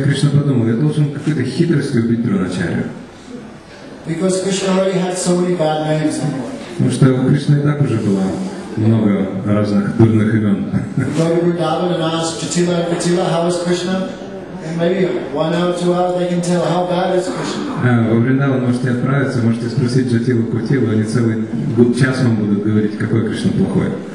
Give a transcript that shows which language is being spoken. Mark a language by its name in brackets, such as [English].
[Russian] И Кришна подумал, я должен какой-то хитростью убить Дроначарью. [English] Because Krishna already had so many bad names. [Russian] Потому что у Кришны и так уже было много разных дурных имен. Во Вриндаван можете отправиться, можете спросить Джатилу Кутилу, они целый час вам будут говорить, какой Кришна плохой.